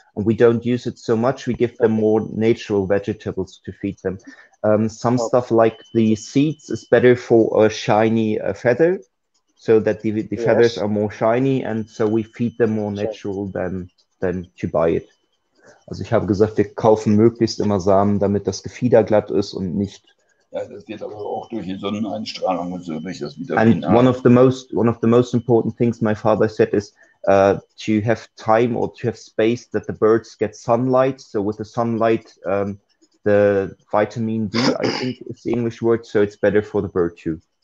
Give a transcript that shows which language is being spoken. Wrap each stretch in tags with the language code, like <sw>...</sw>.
<en>And we don't use it so much. We give them more natural vegetables to feed them. Some stuff like the seeds is better for a shiny feather, so that the feathers are more shiny, and so we feed them more natural than to buy it.</en> <de>Also ich habe gesagt, wir kaufen möglichst immer Samen, damit das Gefieder glatt ist und nicht. Ja, das geht aber auch durch die Sonneneinstrahlung und so, durch das Vitamin A.</de> <en>And one of the most important things my father said is to have time or to have space that the birds get sunlight. So with the sunlight, the vitamin D, I think is the English word, so it's better for the bird too.</en>